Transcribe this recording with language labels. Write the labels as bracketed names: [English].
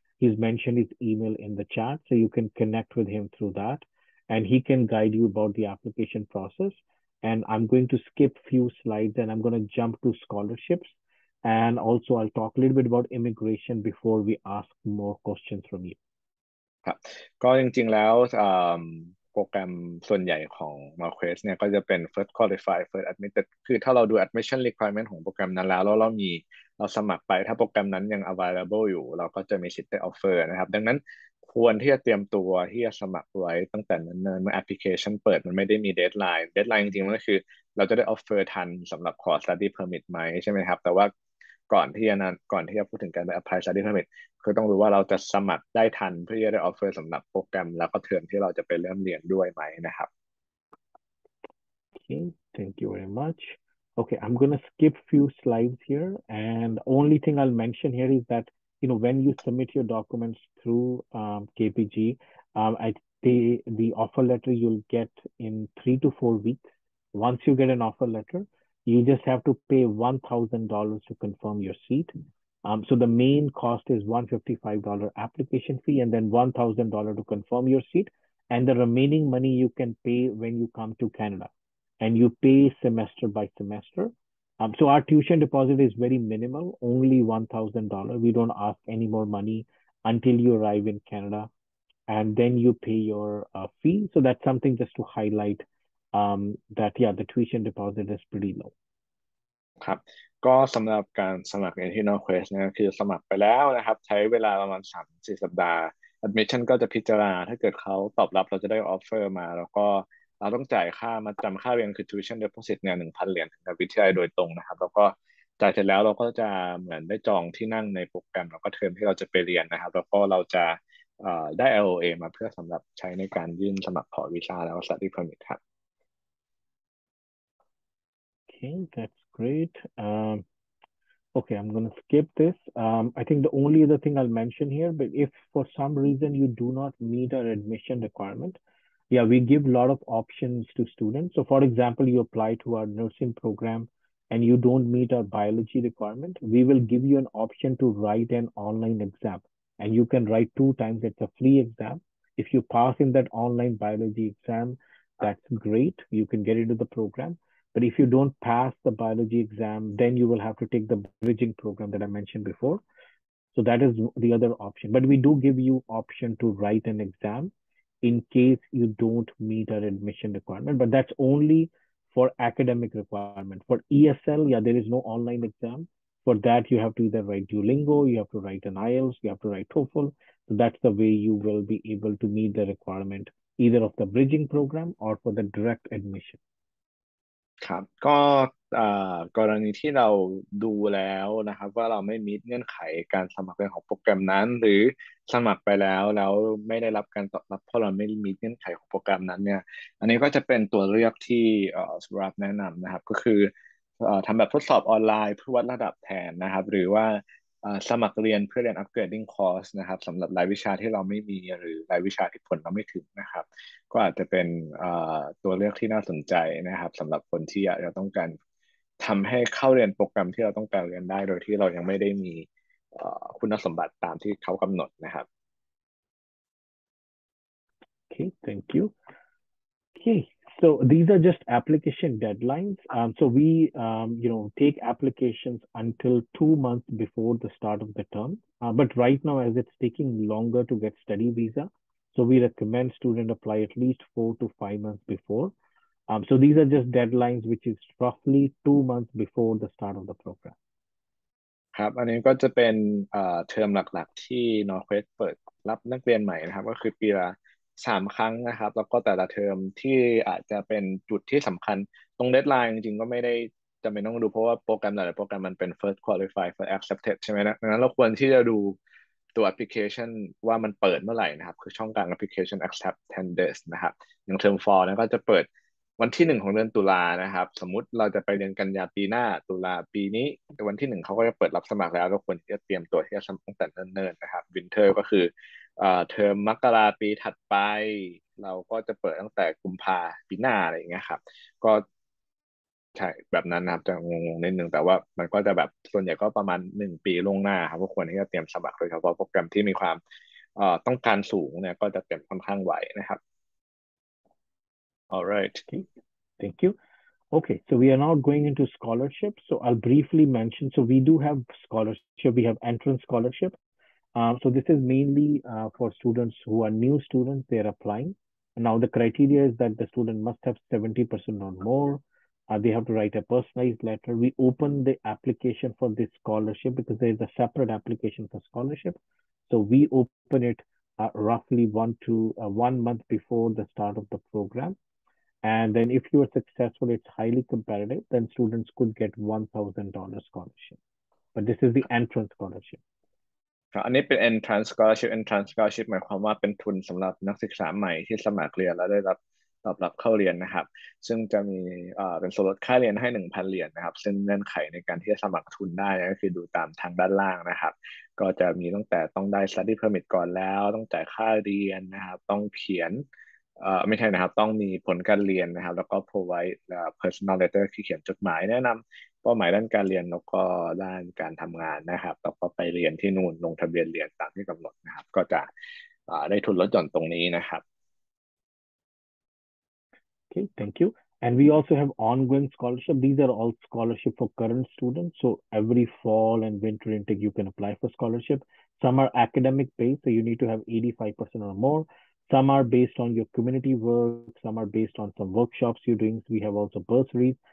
[English] He's mentioned his email in the chat, so you can connect with him through that. And he can guide you about the application process. And I'm going to skip a few slides and I'm going to jump to scholarships. And also I'll talk a little bit about immigration before we ask more questions from you. [Thai] ก็จริงๆแล้วโปรแกรมส่วนใหญ่ของ NorQuest เนี่ยก็จะเป็น first qualified first admitted คือถ้าเราดู admission requirement ของโปรแกรมนั้นแล้วเรามีเราสมัครไปถ้าโปรแกรมนั้นยัง available อยู่เราก็จะมีสิทธิ์ได้ offer นะครับดังนั้นควรที่จะเตรียมตัวที่จะสมัครไว้ตั้งแต่นั้นเมื่อ application เปิดมันไม่ได้มี deadline จริงๆมันก็คือเราจะได้ offer ทันสำหรับขอ study permit ไหมใช่ไหมครับแต่ว่าก่อนที่ จะพูดถึงการไป apply study permit คือต้องรู้ว่าเราจะสมัครได้ทันเพื่อที่จะได้ offer สำหรับโปรแกรมแล้วก็เทอมที่เราจะไปเริ่มเรียนด้วยไหมนะครับ [English] Okay, thank you very much. Okay, I'm gonna skip few slides here, and only thing I'll mention here is that you know, when you submit your documents through KPG, the offer letter you'll get in 3 to 4 weeks. Once you get an offer letter, you just have to pay $1,000 to confirm your seat. So the main cost is $155 application fee and then $1,000 to confirm your seat. And the remaining money you can pay when you come to Canada. And you pay semester by semester. So our tuition deposit is very minimal, only $1,000. We don't ask any more money until you arrive in Canada. And then you pay your fee. So that's something just to highlight that, yeah, the tuition deposit is pretty low. [Thai] ครับก็สำหรับการสมัครเรียนที่ NorQuest นะคือสมัครไปแล้วนะครับใช้เวลาประมาณ 3-4 สัปดาห์ admission ก็จะพิจารณาถ้าเกิดเขาตอบรับเราจะได้ออฟเฟอร์มาแล้วก็เราต้องจ่ายค่ามาจำค่าเรียนคือ tuition deposit เนี่ย 1,000 เหรียญถึงกับวิทยาลัยโดยตรงนะครับแล้วก็จ่ายเสร็จแล้วเราก็จะเหมือนได้จองที่นั่งในโปรแกรมแล้วก็เทอมที่เราจะไปเรียนนะครับแล้วก็เราจะได้ LOA มาเพื่อสำหรับใช้ในการยื่นสมัครขอวีซ่าแล้ว study permit ครับ [English] That's great. Okay, I'm going to skip this. I think the only other thing I'll mention here, but if for some reason you do not meet our admission requirement, yeah, we give a lot of options to students. So for example, you apply to our nursing program and you don't meet our biology requirement, we will give you an option to write an online exam. And you can write two times. It's a free exam. If you pass in that online biology exam, that's great. You can get into the program. But if you don't pass the biology exam, then you will have to take the bridging program that I mentioned before. So that is the other option. But we do give you option to write an exam in case you don't meet our admission requirement. But that's only for academic requirement. For ESL, yeah, there is no online exam. For that, you have to either write Duolingo, you have to write an IELTS, you have to write TOEFL. So that's the way you will be able to meet the requirement either of the bridging program or for the direct admission. [Thai] ครับก็กรณีที่เราดูแล้วนะครับว่าเราไม่มีเงื่อนไขการสมัครเรียนของโปรแกรมนั้นหรือสมัครไปแล้วแล้วไม่ได้รับการตอบรับเพราะเราไม่มีเงื่อนไขของโปรแกรมนั้นเนี่ยอันนี้ก็จะเป็นตัวเลือกที่สำหรับแนะนำนะครับก็คือทำแบบทดสอบออนไลน์เพื่อวัดระดับแทนนะครับหรือว่าสมัครเรียนเพื่อเรียนอัปเกรดดิ้งคอร์สนะครับสำหรับรายวิชาที่เราไม่มีหรือรายวิชาที่ผลเราไม่ถึงนะครับก็อาจจะเป็น ตัวเลือกที่น่าสนใจนะครับสำหรับคนที่เราต้องการทำให้เข้าเรียนโปรแกรมที่เราต้องการเรียนได้โดยที่เรายังไม่ได้มีคุณสมบัติตามที่เขากำหนดนะครับ [English] โอเค thank you okay so these are just application deadlines so we you know take applications until 2 months before the start of the term but right now as it's taking longer to get study visa so we recommend student apply at least 4 to 5 months before so these are just deadlines which is roughly 2 months before the start of the program [Thai] ครับอันนี้ก็จะเป็นเทอมหลักๆที่ NorQuest เปิดรับนักเรียนใหม่นะครับก็คือปีละ3ครั้งนะครับแล้วก็แต่ละเทอมที่อาจจะเป็นจุดที่สำคัญตรงเดดไลน์จริงๆก็ไม่ได้จำเป็นต้องดูเพราะว่าโปรแกรมแต่ละโปรแกรมมันเป็น first qualified first accepted ใช่ไหมนะดังนั้นเราควรที่จะดู ตัว application ว่ามันเปิดเมื่อไหร่นะครับคือช่องการ application acceptance นะครับอย่างเทอม4นะก็จะเปิดวันที่1ของเดือนตุลานะครับสมมุติเราจะไปเรียนกันยาปีหน้าตุลาปีนี้วันที่1เขาก็จะเปิดรับสมัครแล้วก็ควรที่จะเตรียมตัวที่จะสมัครตั้งแต่เนิ่นๆนะครับวินเทอร์ก็คือเทอมมกราปีถัดไป เราก็จะเปิดตั้งแต่กุมภาปีหน้าอะไรอย่างเงี้ยครับก็ใช่แบบนั้นนะครับจะงงๆนิดนึงแต่ว่ามันก็จะแบบส่วนใหญ่ก็ประมาณ1ปีล่วงหน้าครับก็ควรที่จะเตรียมสมัครโดยเฉพาะโปรแกรมที่มีความต้องการสูงเนี่ยก็จะเตรียมค่อนข้างไหวนะครับ [English] All right. Okay. Thank you. Okay, so we are now going into scholarships. So I'll briefly mention, so we do have scholarship, we have entrance scholarship. So this is mainly for students who are new students, they're applying. Now the criteria is that the student must have 70% or more. They have to write a personalized letter. We open the application for this scholarship because there is a separate application for scholarship. So we open it roughly 1 month before the start of the program. And then if you are successful, it's highly competitive, then students could get $1,000 scholarship. But this is the entrance scholarship. [Thai] อันนี้เป็น entrance scholarship. Entrance scholarship หมายความว่าเป็นทุนสำหรับนักศึกษาใหม่ที่สมัครเรียนแล้วได้รับตอบรับเข้าเรียนนะครับซึ่งจะมีเป็นส่วนลดค่าเรียนให้ 1,000 เหรียญนะครับซึ่งเงื่อนไขในการที่จะสมัครทุนได้ก็คือดูตามทางด้านล่างนะครับ ก็จะมีตั้งแต่ต้องได้ study permit ก่อนแล้วต้องจ่ายค่าเรียนนะครับต้องเขียนไม่ใช่นะครับต้องมีผลการเรียนนะครับแล้วก็ provide personal letter ที่เขียนจดหมายแนะนำเป้าหมายด้านการเรียนแล้วก็ด้านการทํางานนะครับแล้วก็ไปเรียนที่นู่นลงทะเบียนเรียนตามที่กําหนดนะครับก็จะได้ทุนลดหย่อนตรงนี้นะครับ [English] Okay, thank you. And we also have ongoing scholarship. These are all scholarship for current students. So every fall and winter intake, you can apply for scholarship. Some are academic based, so you need to have 85% or more. Some are based on your community work. Some are based on some workshops you're doing. So we have also bursaries.